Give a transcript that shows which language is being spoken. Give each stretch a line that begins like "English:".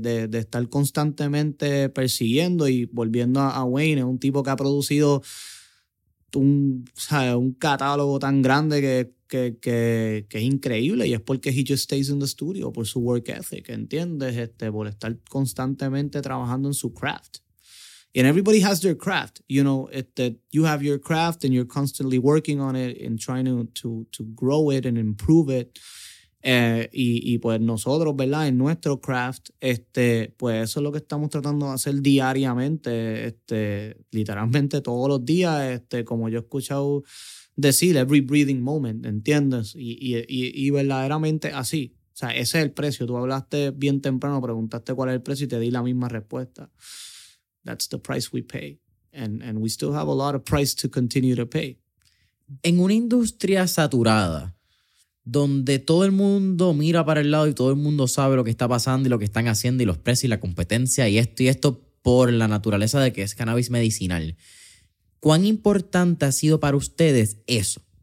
Spanish: De estar constantemente persiguiendo y volviendo a Wayne, es un tipo que ha producido un catálogo tan grande que es increíble y es porque
English: he just stays in the studio
Spanish: por su
English: work ethic,
Spanish: ¿entiendes? Por estar constantemente trabajando en su craft.
English: And everybody has their craft, you know, you have your craft and you're constantly working on it and trying to grow it and improve it.
Spanish: Y pues nosotros, ¿verdad? En nuestro craft, pues eso es lo que estamos tratando de hacer diariamente, literalmente todos los días, como yo he escuchado decir,
English: every breathing moment,
Spanish: ¿entiendes? Y verdaderamente así. O sea, ese es el precio. Tú hablaste bien temprano, preguntaste cuál es el precio y te di la misma respuesta.
English: That's the price we pay. And we still have a lot of price to continue to pay.
Spanish: En una industria saturada, donde todo el mundo mira para el lado y todo el mundo sabe lo que está pasando y lo que están haciendo y los precios y la competencia y esto por la naturaleza de que es cannabis medicinal, ¿cuán importante ha sido para ustedes eso?